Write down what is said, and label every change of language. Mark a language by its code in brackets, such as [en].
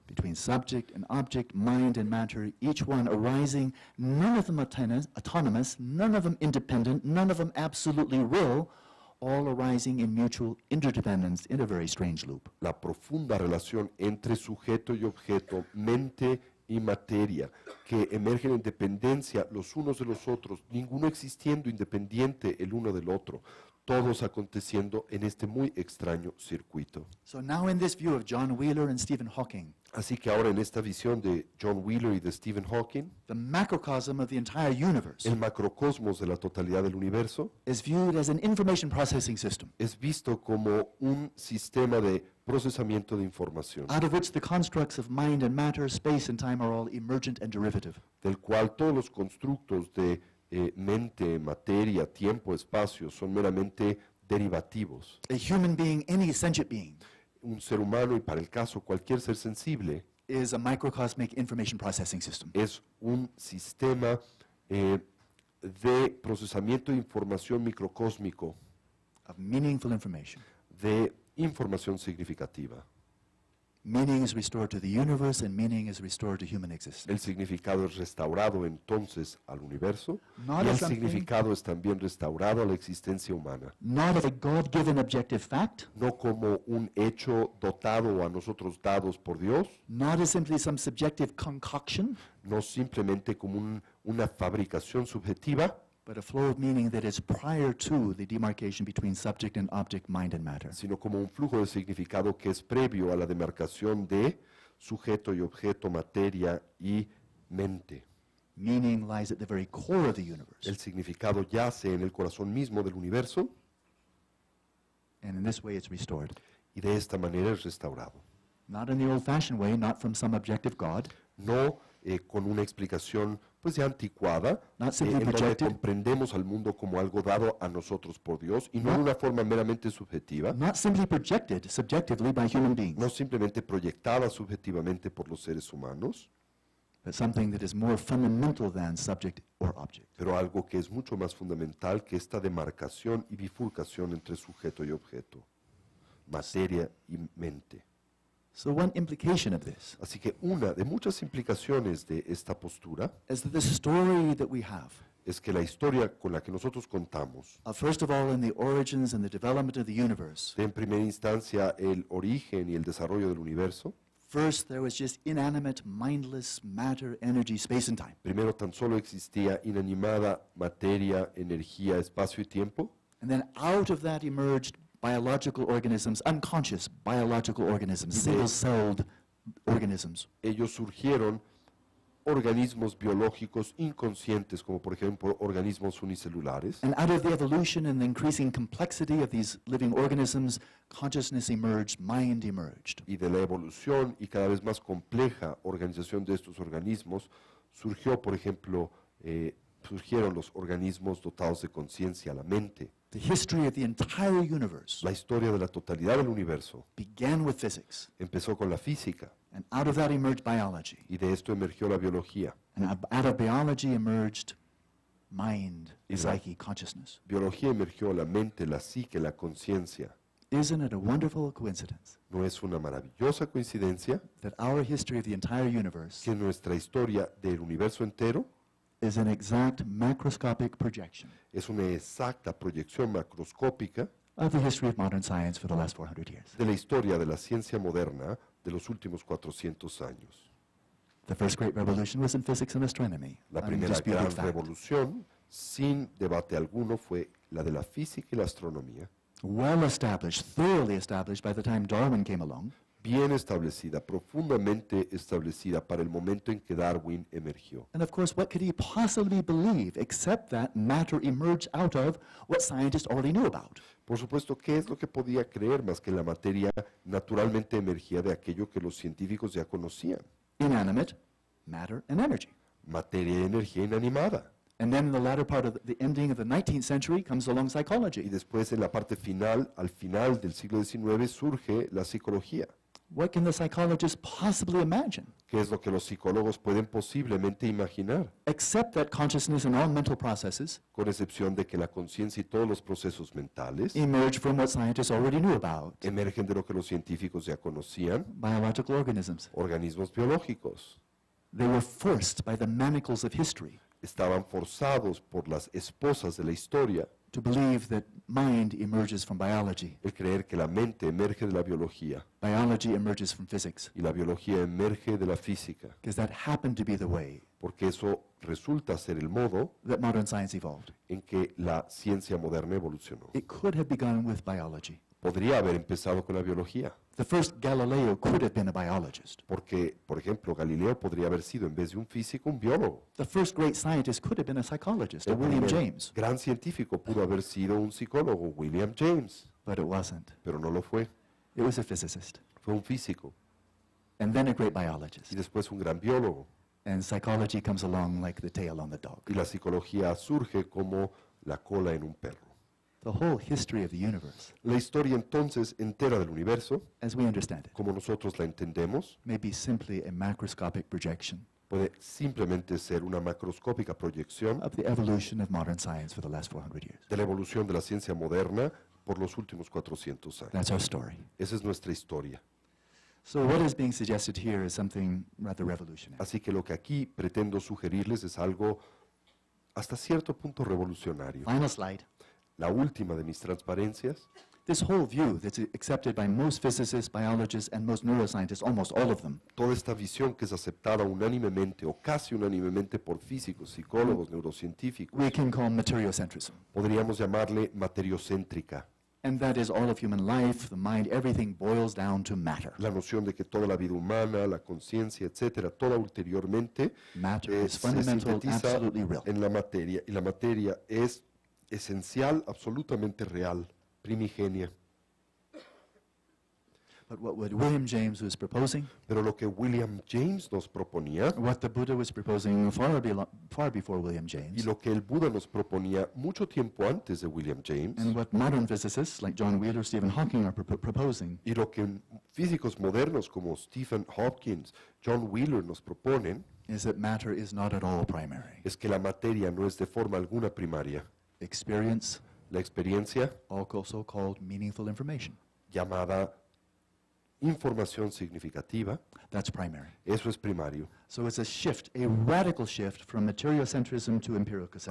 [en] Between subject and object, mind and matter, each one arising, none of them autonomous, none of them independent, none of them absolutely real, all arising in mutual interdependence in a very strange loop. [es] La profunda relación entre sujeto y objeto, mente y materia, que emergen en dependencia los unos de los otros, ninguno existiendo independiente el uno del otro, todos aconteciendo en este muy extraño circuito. [en] So now in this view of John Wheeler and Stephen Hawking, [es] así que ahora en esta visión de John Wheeler y de Stephen Hawking, [en] the macrocosm of the entire universe, [es] el macrocosmos de la totalidad del universo, [en] is viewed as an information processing system, [es] es visto como un sistema de procesamiento de información, [en] out of which the constructs of mind and matter, space and time are all emergent and derivative, [es] del cual todos los constructos de mente, materia, tiempo, espacio son meramente derivativos. [en] A human being, any sentient being, [es] un ser humano y para el caso cualquier ser sensible, [en] is a microcosmic information processing system, [es] es un sistema de procesamiento de información microcósmico, [en] of meaningful information, [es] de información significativa. [en] Meaning is restored to the universe and meaning is restored to human existence. [es] El significado es restaurado entonces al universo. Not y el significado es también restaurado a la existencia humana. [en] Not as a God-given objective fact. [es] No como un hecho dotado a nosotros dados por Dios. [en] Not as simply some subjective concoction. [es] No simplemente como una fabricación subjetiva. [en] But a flow of meaning that is prior to the demarcation between subject and object, mind and matter. [es] Sino como un flujo de significado que es previo a la demarcación de sujeto y objeto, materia y mente. [en] Meaning lies at the very core of the universe. [es] El significado yace en el corazón mismo del universo. [en] And in this way it's restored. [es] Y de esta manera es restaurado. [en] Not in the old-fashioned way, not from some objective God. [es] No con una explicación pues ya anticuada, en donde comprendemos al mundo como algo dado a nosotros por Dios y no de una forma meramente subjetiva, [en] not simply projected subjectively by human beings, [es] no simplemente proyectada subjetivamente por los seres humanos, [en] but something that is more fundamental than subject or object, [es] pero algo que es mucho más fundamental que esta demarcación y bifurcación entre sujeto y objeto. materia y mente. [en] So one implication of this. [es] Así que una de muchas implicaciones de esta postura [en] is that the story that we have. [es] Es que la historia con la que nosotros contamos. [en] First of all, in the origins and the development of the universe. [es] En primera instancia, el origen y el desarrollo del universo. [en] First, there was just inanimate, mindless matter, energy, space, and time. [es] Primero, tan solo existía inanimada materia, energía, espacio y tiempo. [en] And then, out of that emerged biological organisms, unconscious biological organisms, single-celled organisms. [es] Ellos surgieron organismos biológicos inconscientes, como por ejemplo organismos unicelulares. [en] And out of the evolution and the increasing complexity of these living organisms, consciousness emerged, mind emerged. [es] Y de la evolución y cada vez más compleja organización de estos organismos, surgió, por ejemplo, surgieron los organismos dotados de conciencia, la mente. [en] The history of the entire universe. [es] La historia de la totalidad del universo. [en] Began with physics. [es] Empezó con la física. [en] And out of that emerged biology. [es] Y de esto emergió la biología. [en] And out of biology emerged mind, psyche, consciousness. [es] Biología emergió la mente, la psique, la conciencia. [en] Isn't it a wonderful coincidence? [es] ¿No es una maravillosa coincidencia? [en] That our history of the entire universe. [es] Que nuestra historia del universo entero. [en] Is an exact macroscopic projection. [es] Es una exacta proyección macroscópica. [en] Of the history of modern science for the last 400 years. [es] De la historia de la ciencia moderna de los últimos 400 años. [en] The first great revolution was in physics and astronomy. [es] La primera gran revolución, sin debate alguno, fue la de la física y la astronomía. [en] Well established, thoroughly established by the time Darwin came along. [es] Bien establecida, profundamente establecida para el momento en que Darwin emergió. [en] And of course, what could he possibly believe except that matter emerged out of what scientists already knew about? [es] Por supuesto, ¿qué es lo que podía creer más que la materia naturalmente emergía de aquello que los científicos ya conocían? [en] Inanimate matter and energy. [es] Materia y energía inanimada. [en] And then in the latter part of the ending of the 19th century comes along psychology. [es] Y después en la parte final, al final del siglo XIX, surge la psicología. [en] What can the psychologist possibly imagine? [es] ¿Qué es lo que los psicólogos pueden posiblemente imaginar? [en] Except that consciousness and all mental processes. [es] Con excepción de que la conciencia y todos los procesos mentales. [en] Emerge from what scientists already knew about. [es] Emergen de lo que los científicos ya conocían. [en] Biological organisms. [es] Organismos biológicos. [en] They were forced by the manacles of history. [es] Estaban forzados por las esposas de la historia. [en] To believe that mind emerges from biology. [es] El creer que la mente emerge de la biología. [en] Biology emerges from physics. [es] Y la biología emerge de la física. [en] Because that happened to be the way. [es] Porque eso resulta ser el modo. [en] That modern science evolved. [es] En que la ciencia moderna evolucionó. [en] It could have begun with biology. [es] Podría haber empezado con la biología. [en] The first Galileo could have been a biologist. [es] Porque, por ejemplo, Galileo podría haber sido, en vez de un físico, un biólogo. [en] The first great scientist could have been a psychologist, a William James. [es] El gran científico pudo haber sido un psicólogo, William James. [en] But it wasn't. [es] Pero no lo fue. [en] It was a physicist. [es] Fue un físico. [en] And then a great biologist. [es] Y después un gran biólogo. [en] And psychology comes along like the tail on the dog. [es] Y la psicología surge como la cola en un perro. [en] The whole history of the universe. [es] La historia entonces entera del universo. [en] As we understand it. [es] Como nosotros la entendemos. [en] May be simply a macroscopic projection. [es] Puede simplemente ser una macroscópica proyección. [en] Of the evolution of modern science for the last 400 years. [es] De la evolución de la ciencia moderna por los últimos 400 años. [en] That's our story. [es] Esa es nuestra historia. [en] So what is being suggested here is something rather revolutionary. [es] Así que lo que aquí pretendo sugerirles es algo hasta cierto punto revolucionario. [en] Final slide. [es] La última de mis transparencias. [en] This whole view that's accepted by most physicists, biologists, and most neuroscientists, almost all of them. [es] Toda esta visión que es aceptada unánimemente o casi unánimemente por físicos, psicólogos, neurocientíficos. [en] We can call materiocentrism. [es] Podríamos llamarle materiocéntrica. [en] And that is all of human life, the mind, everything boils down to matter. [es] La noción de que toda la vida humana, la conciencia, etcétera, toda ulteriormente. [en] Matter is fundamental, absolutely real. [es] En la materia, y la materia es esencial, absolutamente real, primigenia. [en] But what would William James was proposing? [es] Pero lo que William James nos proponía. [en] What the Buddha was proposing far before William James. [es] Y lo que el Buda nos proponía mucho tiempo antes de William James. [en] And what modern physicists like John Wheeler, Stephen Hawking are proposing. [es] Y lo que físicos modernos como Stephen Hawking, John Wheeler nos proponen. [en] Is that matter is not at all primary. [es] Es que la materia no es de forma alguna primaria. [en] Experience, [es] la experiencia, [en] also called meaningful information. [es] llamada información significativa. [en] That's primary. [es] Eso es primario. [en] So it's a shift, a radical shift from material centrism to empirical centrism.